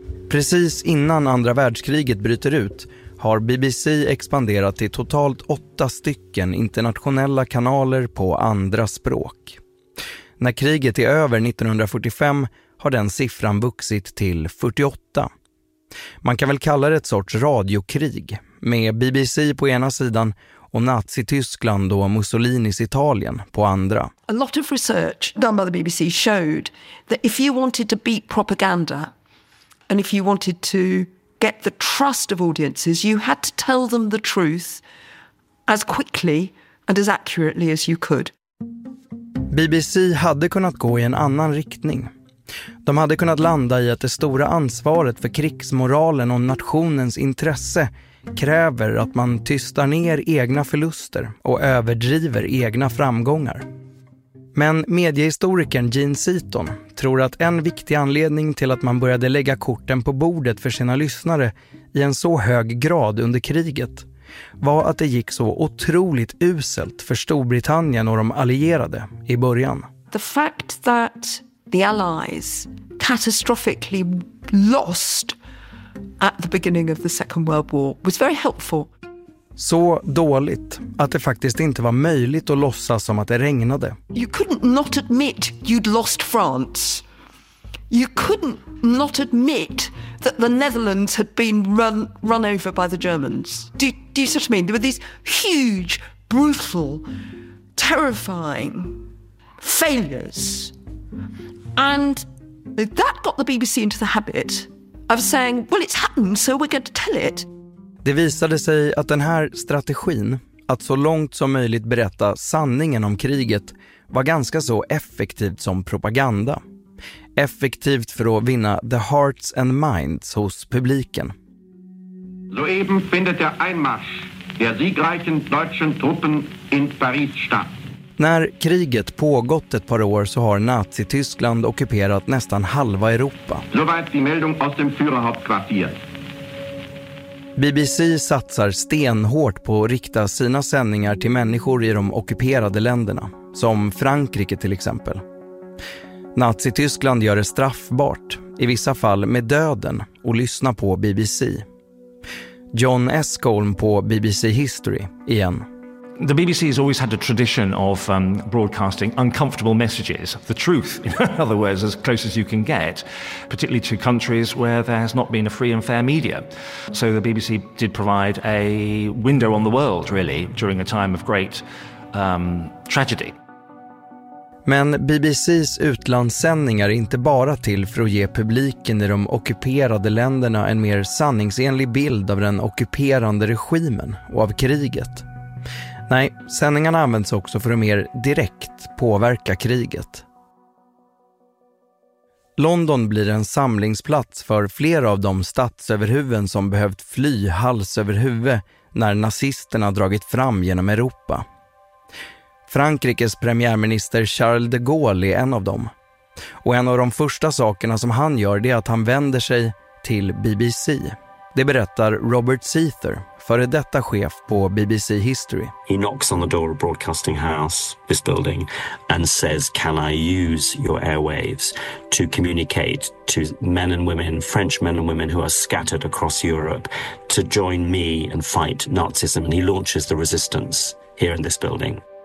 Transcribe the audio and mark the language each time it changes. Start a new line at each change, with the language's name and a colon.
Swedish: Precis innan andra världskriget bryter ut har BBC expanderat till totalt 8 stycken internationella kanaler på andra språk. När kriget är över 1945 har den siffran vuxit till 48. Man kan väl kalla det ett sorts radiokrig, med BBC på ena sidan och Nazi-Tyskland och Mussolinis Italien på andra.
English: A lot of research done by the BBC showed that if you wanted to beat propaganda and if you wanted to get the trust of audiences, you had to tell them the truth as quickly and as accurately as you could.
Swedish: BBC hade kunnat gå i en annan riktning. De hade kunnat landa i att det stora ansvaret för krigsmoralen och nationens intresse kräver att man tystar ner egna förluster och överdriver egna framgångar. Men mediehistorikern Gene Seaton tror att en viktig anledning till att man började lägga korten på bordet för sina lyssnare i en så hög grad under kriget var att det gick så otroligt uselt för Storbritannien och de allierade i början.
English: The fact that the Allies catastrophically lost at the beginning of the Second World War was very helpful.
Swedish: Så dåligt att det faktiskt inte var möjligt att låtsas som att det regnade.
English: You couldn't not admit you'd lost France. You couldn't not admit that the Netherlands had been run over by the Germans. Do you see what I mean? There were these huge, brutal, terrifying failures. And that got the BBC into the habit of saying, well, it's happened, so we're going to tell it.
Swedish: Det visade sig att den här strategin, att så långt som möjligt berätta sanningen om kriget, var ganska så effektivt som propaganda. Effektivt för att vinna
English: the hearts and minds
Swedish: hos publiken.
German: Soeben findet der Einmarsch der siegreichen deutschen Truppen in Paris statt.
Swedish: När kriget pågått ett par år så har Nazi-Tyskland ockuperat nästan halva Europa.
German: Soweit die Meldung aus dem Führerhauptquartier.
Swedish: BBC satsar stenhårt på att rikta sina sändningar till människor i de ockuperade länderna, som Frankrike till exempel. Nazi-Tyskland gör det straffbart, i vissa fall med döden, och lyssna på BBC. John Eskholm på BBC History igen.
English: The BBC has always had a tradition of broadcasting uncomfortable messages, the truth, in other words, as close as you can get, particularly to countries where there has not been a free and fair media. So the BBC did provide a window on the world, really, during a time of great tragedy.
Swedish: Men BBCs utlandssändningar är inte bara till för att ge publiken i de ockuperade länderna en mer sanningsenlig bild av den ockuperande regimen och av kriget. Nej, sändningarna används också för att mer direkt påverka kriget. London blir en samlingsplats för flera av de statsöverhuvuden som behövt fly hals över huvud när nazisterna dragit fram genom Europa. Frankrikes premiärminister Charles de Gaulle är en av dem. Och en av de första sakerna som han gör är att han vänder sig till BBC. Det berättar Robert Seether, före detta chef på BBC History.
English: He knocks on the door of Broadcasting House, this building, and says, can I use your airwaves to communicate to men and women, French men and women who are scattered across Europe, to join me and fight Nazism. And he launches the resistance here in this building.